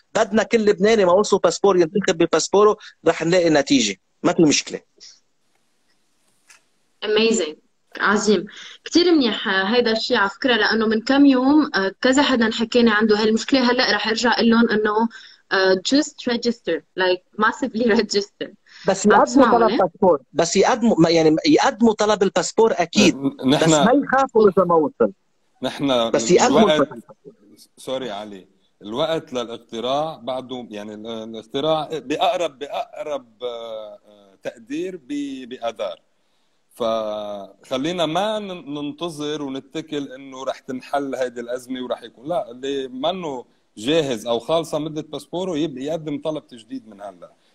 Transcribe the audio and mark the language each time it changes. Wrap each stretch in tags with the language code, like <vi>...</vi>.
<ar>بدنا كل لبناني ما وصل باسبور ينتخب بباسبوره، رح نلاقي نتيجة، ما في مشكلة.</ar> <en>Amazing.</en> <ar>عظيم، كتير منيح هيدا الشيء على فكرة، لأنه من كم يوم كذا حدا حكيني عنده هالمشكلة. هلأ رح أرجع قلن أنه</ar> <en>just register, like massively register.</en> <ar>بس يقدموا طلب باسبور، بس يقدموا يعني يقدموا طلب الباسبور اكيد، نحن بس ما يخافوا اذا ما وصل. نحن بس يقدموا الوقت... سوري علي، الوقت للاقتراع بعده يعني الاقتراع باقرب باقرب تقدير باذار، فخلينا ما ننتظر ونتكل انه رح تنحل هيدي الازمه ورح يكون، لا اللي منه جاهز او خالصه مده باسبوره يقدم طلب تجديد من هلا،</ar>